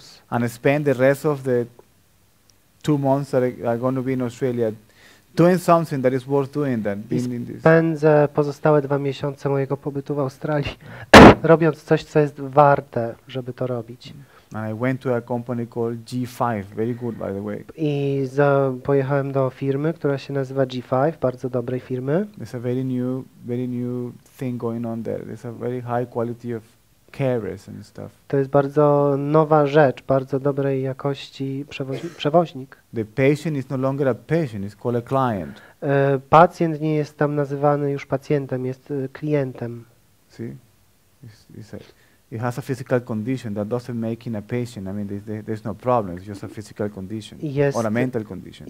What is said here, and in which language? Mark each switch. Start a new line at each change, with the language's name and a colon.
English: And I spend the rest of the 2 months that I'm going to be in Australia doing something that is worth doing than being in this.
Polish: Spędzę pozostałe 2 miesiące mojego pobytu w Australii robiąc coś, co jest warte, żeby to robić.
English: And I went to a company called G5, very good by the way.
Polish: I pojechałem do firmy, która się nazywa G5, bardzo dobrej firmy.
English: There's a very new thing going on there. There's a very high quality of carers and stuff.
Polish: To jest bardzo nowa rzecz, bardzo dobrej jakości przewoźnik.
English: The patient is no longer a patient, it's called a client.
Polish: Pacjent nie jest tam nazywany już pacjentem, jest klientem.
English: See? It has a physical condition that doesn't make him a patient. I mean, there's no problem. It's just a physical condition or a mental condition.